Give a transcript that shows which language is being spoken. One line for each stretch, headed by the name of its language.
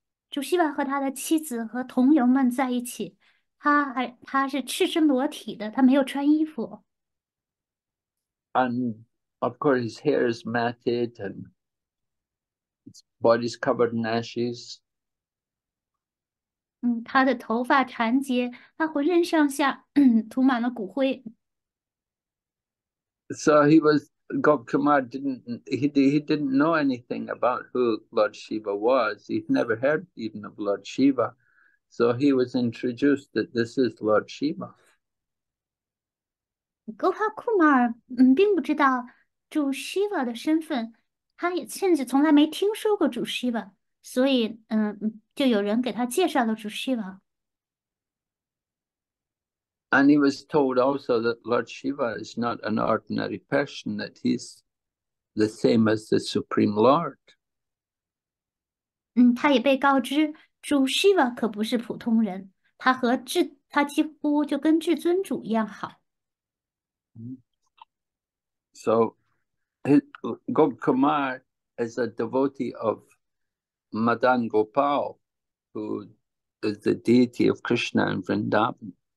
Chinese: 主 Shiva 和他的妻子和同游们在一起，他是赤身裸体的，他没有穿衣服。
English: And of course his hair is matted and his body's covered in ashes.
Chinese: 他的头发缠结，他浑身上下涂满了骨灰。
English: So he was Gop Kumar didn't he didn't know anything about who Lord Shiva was. He'd never heard even of Lord Shiva. So he was introduced that this is Lord Shiva.
Chinese: Gopal Kumar 并不知道主 Shiva 的身份，他也甚至从来没听说过主 Shiva，所以就有人给他介绍了主 Shiva。
English: And he was told also that Lord Shiva is not an ordinary person, that he's the same as the Supreme Lord.
Chinese: 他也被告知主 Shiva 可不是普通人，他几乎就跟至尊主一样好。
English: So, Gop Kumar is a devotee of Madan Gopal, who is the deity of Krishna and Vrindavan.